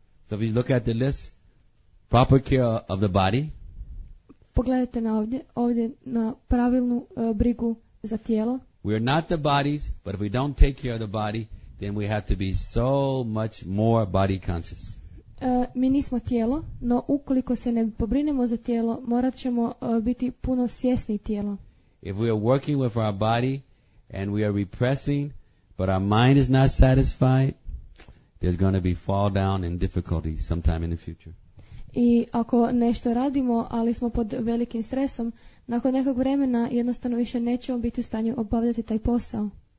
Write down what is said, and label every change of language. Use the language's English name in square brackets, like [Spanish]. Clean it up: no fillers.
[English] So we look at the list, proper care of the body. [Croatian] Pogledajte na ovdje na pravilnu brigu za tijelo. [English] We are not the bodies, but if we don't take care of the body, then we have to be so much more body conscious. [Croatian] Mi nismo tijelo, no ukoliko se ne pobrinemo za tijelo, morat ćemo biti puno svjesni tijela. [English] If we are working with our body and we are repressing, but our mind is not satisfied, there's going to be fall down and difficulty sometime in the future. [Croatian] I ako nešto radimo, ali smo pod velikim stresom, nakon nekog vremena jednostavno više nećemo biti u stanju obavljati taj posao.